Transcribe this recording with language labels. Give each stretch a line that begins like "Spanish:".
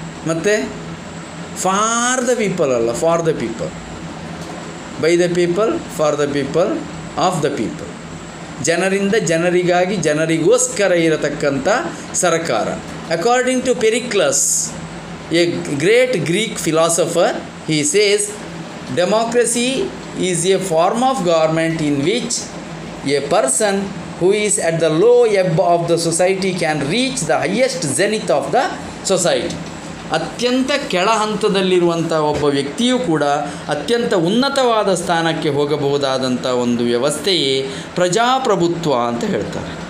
English: ಮತ್ತು for the people ಅಲ್ಲ, for the people, by the people for the people of the people.
Kannada: ಜನರಿಂದ ಜನರಿಗಾಗಿ ಜನರಿಗೋಸ್ಕರ ಇರತಕ್ಕಂಥ ಸರ್ಕಾರ.
English: according to
Kannada: ಪೆರಿಕ್ಲಸ್,
English: A great Greek philosopher, he says, democracy is a form of government in which a person who is at the low ebb of the society can reach the highest zenith of the society.
Kannada: ಅತ್ಯಂತ ಕೆಳಹಂತದಲ್ಲಿರುವಂಥ ಒಬ್ಬ ವ್ಯಕ್ತಿಯೂ ಕೂಡ ಅತ್ಯಂತ ಉನ್ನತವಾದ ಸ್ಥಾನಕ್ಕೆ ಹೋಗಬಹುದಾದಂಥ ಒಂದು ವ್ಯವಸ್ಥೆಯೇ ಪ್ರಜಾಪ್ರಭುತ್ವ ಅಂತ ಹೇಳ್ತಾರೆ.